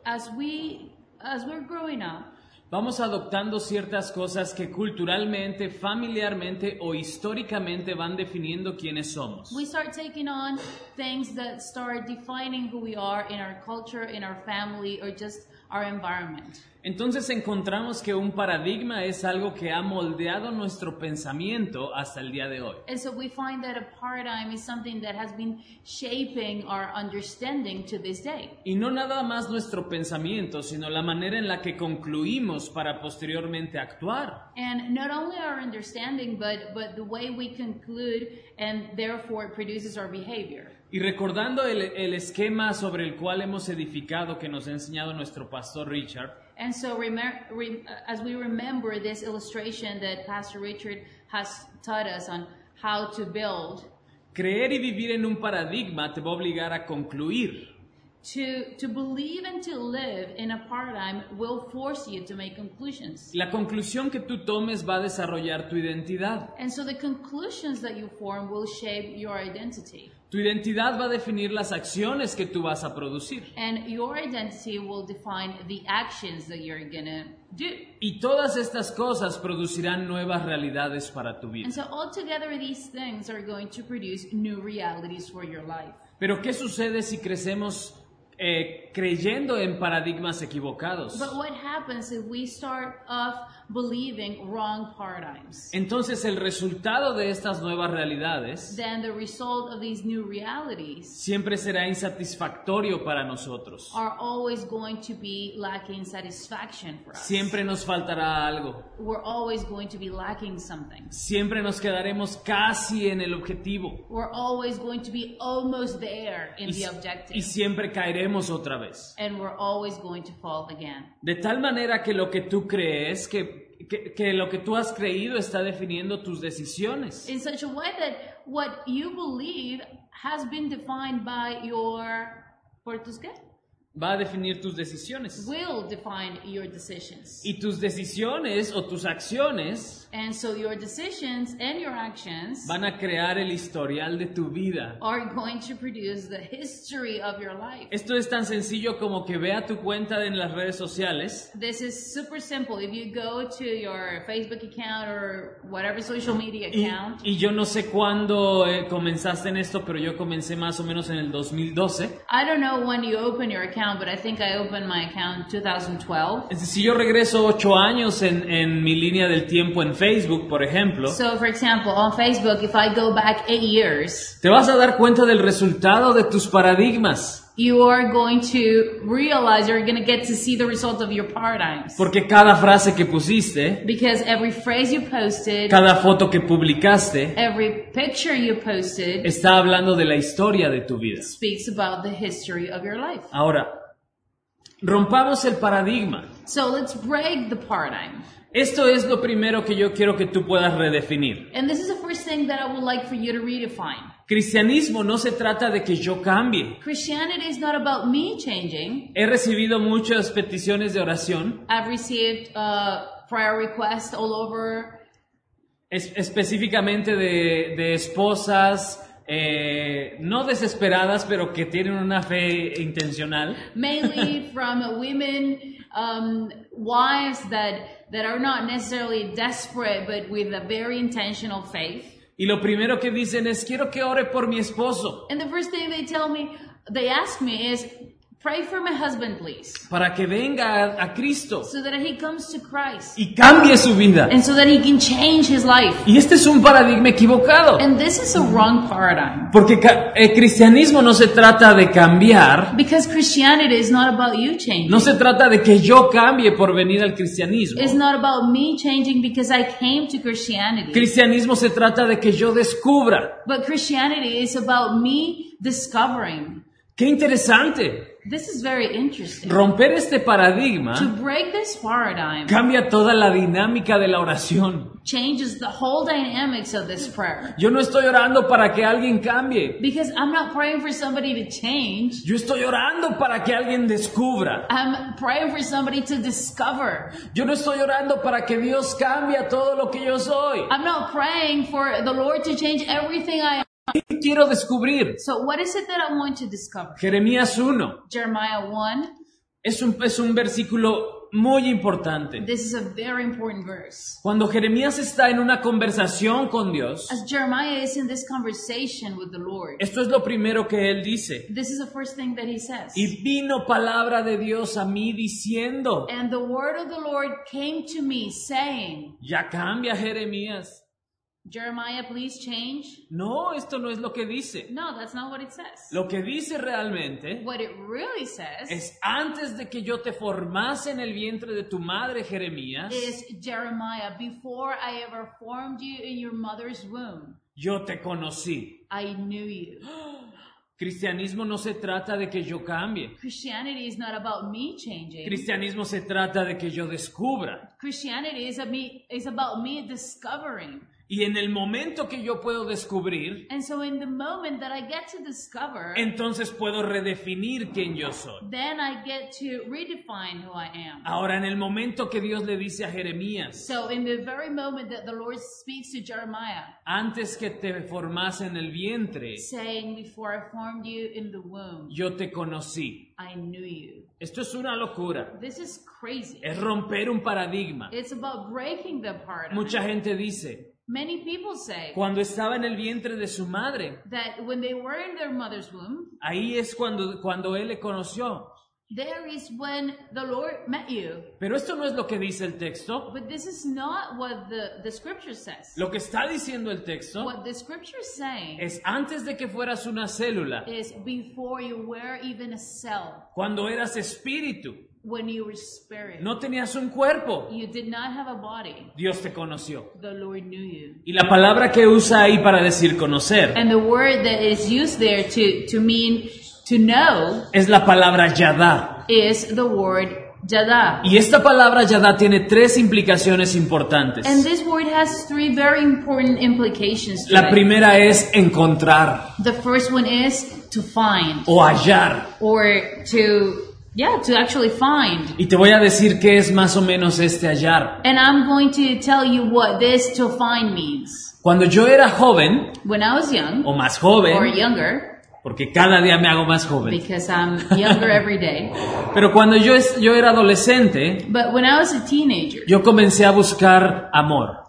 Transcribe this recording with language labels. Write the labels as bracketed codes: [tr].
[en] as we're growing up, [es] vamos adoptando ciertas cosas que culturalmente, familiarmente o históricamente van definiendo quiénes somos. [en] We start taking on things that start defining who we are in our culture, in our family, or just our environment. [es] Entonces encontramos que un paradigma es algo que ha moldeado nuestro pensamiento hasta el día de hoy. [en] And so we find that a paradigm is something that has been shaping our understanding to this day. [es] Y no nada más nuestro pensamiento, sino la manera en la que concluimos para posteriormente actuar. [en] And not only our understanding, but the way we conclude and therefore produces our behavior. [es] Y recordando el esquema sobre el cual hemos edificado, que nos ha enseñado nuestro pastor Richard. [en] And so as we remember this illustration that Pastor Richard has taught us on how to build. [es] Creer y vivir en un paradigma te va a obligar a concluir. [en] To believe and to live in a paradigm will force you to make conclusions. [es] La conclusión que tú tomes va a desarrollar tu identidad. [en] And so the conclusions that you form will shape your identity. [es] Tu identidad va a definir las acciones que tú vas a producir. [en] And your identity will define the actions that you're going to do. [es] Y todas estas cosas producirán nuevas realidades para tu vida. [en] And so all together these things are going to produce new realities for your life. [es] Pero ¿qué sucede si crecemos creyendo en paradigmas equivocados? [en] But what happens if we start off believing wrong paradigms? [es] Entonces el resultado de estas nuevas realidades, [en] then the result of these new realities, [es] siempre será insatisfactorio para nosotros. [en] Are always going to be lacking satisfaction for us. [es] Siempre nos faltará algo. [en] We're always going to be lacking something. [es] Siempre nos quedaremos casi en el objetivo. [en] We're always going to be almost there in the objective. [es] Y siempre caeremos otra vez. [en] And we're always going to fall again. [es] De tal manera que lo que tú crees que lo que tú has creído está definiendo tus decisiones. [en] In such a way that what you believe has been defined by your [es] va a definir tus decisiones. [en] Will define your decisions. [es] Y tus decisiones o tus acciones, [en] and so your decisions and your actions, [es] van a crear el historial de tu vida. [en] Are going to produce the history of your life. [es] Esto es tan sencillo como que vea tu cuenta en las redes sociales. [en] This is super simple. If you go to your Facebook account or whatever social media account. [es] Y yo no sé cuándo comenzaste en esto, pero yo comencé más o menos en el 2012. [en] I don't know when you open your account, but I think I opened my account 2012. [es] Si yo regreso 8 años en mi línea del tiempo en Facebook, por ejemplo. [en] So for example, on Facebook, if I go back 8 years, [es] te vas a dar cuenta del resultado de tus paradigmas. [en] You are going to realize, you're going to get to see the result of your paradigms. [es] Porque cada frase que pusiste, [en] because every phrase you posted, [es] cada foto que publicaste, [en] every picture you posted, [es] está hablando de la historia de tu vida. [en] Speaks about the history of your life. [es] Ahora, rompamos el paradigma. [en] So let's break the paradigm. [es] Esto es lo primero que yo quiero que tú puedas redefinir. [en] And this is the first thing that I would like for you to redefine. [es] Cristianismo no se trata de que yo cambie. [en] Christianity is not about me changing. [es] He recibido muchas peticiones de oración. [en] I've received prayer requests all over. [es] Específicamente de esposas, no desesperadas, pero que tienen una fe intencional. [en] Mainly from women, wives that are not necessarily desperate, but with a very intentional faith. [es] Y lo primero que dicen es, quiero que ore por mi esposo. [en] And the first thing they tell me, they ask me is, Pray for my husband, please. [es] Para que venga a Cristo. [en] So that he comes to Christ. [es] Y cambie su vida. [en] And so that he can change his life. [es] Y este es un paradigma equivocado. [en] And this is a wrong paradigm. [es] Porque el cristianismo no se trata de cambiar. [en] Because Christianity is not about you changing. [es] No se trata de que yo cambie por venir al cristianismo. [en] It's not about me changing because I came to Christianity. [es] Cristianismo se trata de que yo descubra. [en] But Christianity is about me discovering. [es] ¡Qué interesante! [en] This is very interesting. [es] Romper este paradigma, [en] to break this paradigm, [es] cambia toda la dinámica de la oración. [en] Changes the whole dynamics of this prayer. [es] Yo no estoy orando para que alguien cambie. [en] Because I'm not praying for somebody to change. [es] Yo estoy orando para que alguien descubra. [en] I'm praying for somebody to discover. [es] Yo no estoy orando para que Dios cambie todo lo que yo soy. [en] I'm not praying for the Lord to change everything I am. [es] ¿Qué quiero descubrir? [en] So what is it that I want to discover? [es] Jeremías 1. [en] Jeremiah 1. [es] Es un versículo muy importante. [en] This is a very important verse. [es] Cuando Jeremías está en una conversación con Dios. [en] As Jeremiah is in this conversation with the Lord. [es] Esto es lo primero que él dice. [en] This is the first thing that he says. [es] Y vino palabra de Dios a mí diciendo. [en] And the word of the Lord came to me saying. [es] Ya cambia, Jeremías. [en] Jeremiah, please change. [es] No, esto no es lo que dice. [en] No, that's not what it says. [es] Lo que dice realmente. [en] What it really says. [es] Es antes de que yo te formase en el vientre de tu madre, Jeremías. [en] Is Jeremiah, before I ever formed you in your mother's womb. [es] Yo te conocí. [en] I knew you. [es] Cristianismo no se trata de que yo cambie. [en] Christianity is not about me changing. [es] Cristianismo se trata de que yo descubra. [en] Christianity is about me discovering. [es] Y en el momento que yo puedo descubrir, [en] and so in the moment that I get to discover, [es] entonces puedo redefinir quién yo soy. [en] Then I get to redefine who I am. [es] Ahora, en el momento que Dios le dice a Jeremías, [en] so in the very moment that the Lord speaks to Jeremiah, [es] antes que te formase en el vientre, [en] saying before I formed you in the womb, [es] yo te conocí. [en] I knew you. [es] Esto es una locura. [en] This is crazy. [es] Es romper un paradigma. [en] It's about breaking the paradigm. [es] Mucha gente dice, [en] many people say, [es] cuando estaba en el vientre de su madre, [en] that when they were in their mother's womb, [es] ahí es cuando él le conoció. [en] There is when the Lord met you. [es] Pero esto no es lo que dice el texto. [en] But this is not what the scripture says. [es] Lo que está diciendo el texto, [en] what the scripture is saying, [es] es antes de que fueras una célula, [en] is before you were even a cell. [es] Cuando eras espíritu. [en] When you were spirit. [es] No tenías un cuerpo. [en] You did not have a body. [es] Dios te conoció. [en] The Lord knew you. [es] Y la palabra que usa ahí para decir conocer. [en] And the word that is used there to mean to know. [es] Es la palabra yada. [en] Is the word yada. [es] Y esta palabra yada tiene tres implicaciones importantes. [en] And this word has three very important implications to it. [es] La primera es encontrar. [en] The first one is to find. [es] O hallar. [en] Or to... yeah, to actually find. [es] Y te voy a decir qué es más o menos este hallar. [en] And I'm going to tell you what this to find means. [es] Cuando yo era joven. [en] When I was young. [es] O más joven. [en] Or younger. [es] Porque cada día me hago más joven. [en] Because I'm younger every day. [es] Pero cuando yo era adolescente. [en] But when I was a teenager. [es] Yo comencé a buscar amor.